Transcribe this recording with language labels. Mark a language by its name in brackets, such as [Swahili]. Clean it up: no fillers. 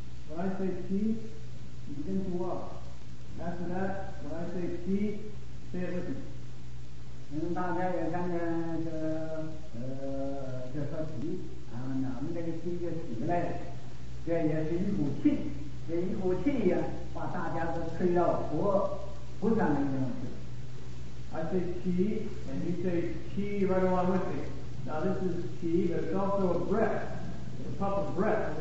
[English] When I say 起, you begin to walk. After that, when I say 起, stay with me. [Chinese] 您大家也看见这这说起啊，那我们这个气就起来了。这也是一股气，这一股气呀、啊，把大家都推到佛菩萨那边去。 [English] I say qi, and you say qi right along with me. Now this is qi, but it's also a breath, a puff of breath.